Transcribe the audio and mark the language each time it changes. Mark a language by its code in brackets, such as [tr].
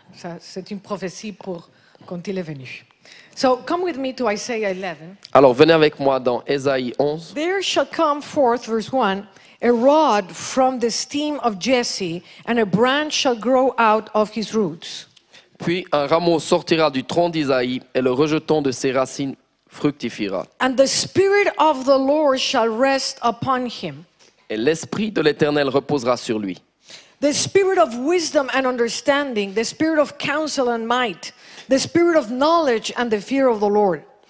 [fr] Ça, c'est une prophétie pour quand il est venu. [en] So, come with me to Isaiah 11. [fr] Alors, venez avec moi dans Ésaïe 11. [en] There shall come forth, verse 1, a rod from the stem of Jesse, and a branch shall grow out of his roots. [fr] Puis un rameau sortira du tronc d'Isaïe, et le rejeton de ses racines fructifiera. [en] And the Spirit of the Lord shall rest upon him. [fr] Et l'Esprit de l'Éternel reposera sur lui. [en] The spirit of wisdom and understanding, the spirit of counsel and might, the spirit of knowledge and the fear of the Lord.